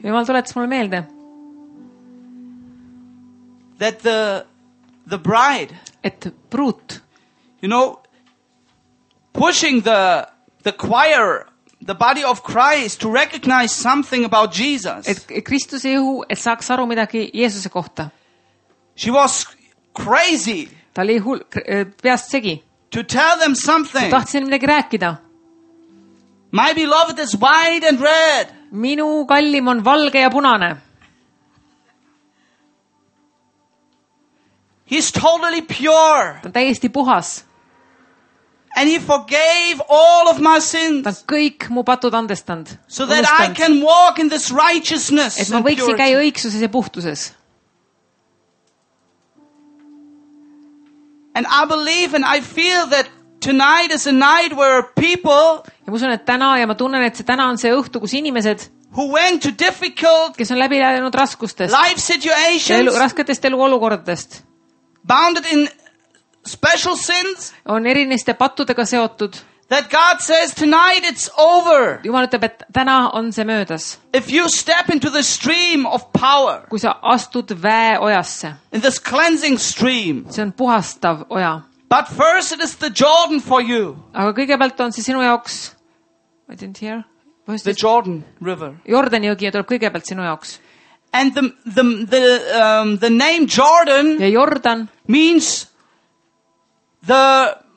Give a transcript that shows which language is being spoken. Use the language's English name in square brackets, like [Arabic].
[Estonian] Jumal tuletas mulle meelde. [English] That the bride. [Estonian] Et pruut. [English] You know, pushing the choir. The body of Christ to recognize something about Jesus. [Estonian] Et Kristus jõhu, et saaks aru midagi Jeesuse kohta. [English] She was crazy. [Estonian] Ta oli peast segi. [English] To tell them something. [Estonian] Ta tahtsin midagi rääkida. [English] My beloved is white and red. [Estonian] Minu kallim on valge ja punane. [English] He's totally pure. [Estonian] Ta on täiesti puhas. [English] And he forgave all of my sins. [Estonian] Ta kõik mu patud andestand. [English] So that I can walk in this righteousness. [Estonian] Et ma võiksin käi õigsuses ja puhtuses. [English] And I believe and I feel that tonight is a night where people. [Estonian] Ja ma usun, et täna ja ma tunnen, et see täna on see õhtu, kus inimesed. [English] Who went to difficult. [Estonian] Kes on läbi läinud raskustest. [English] Life situations. [Estonian] Rasketest elu olukordadest. [English] Bounded in. Special sins [Estonian] on erineste pattudega seotud [English] that God says tonight it's over [Estonian] Jumal ütleb, et täna on see möödas [English] if you step into the stream of power [Estonian] kui sa astud väe ojasse [English] in this cleansing stream [Estonian] see on puhastav oja [English] but first it is the Jordan for you [Estonian] aga kõigepealt on see sinu jaoks [English] I didn't hear Võist the Jordan river [Estonian] Jordan jõgi tuleb kõigepealt sinu jaoks [English] and the name Jordan [Estonian] ja Jordan [English] means The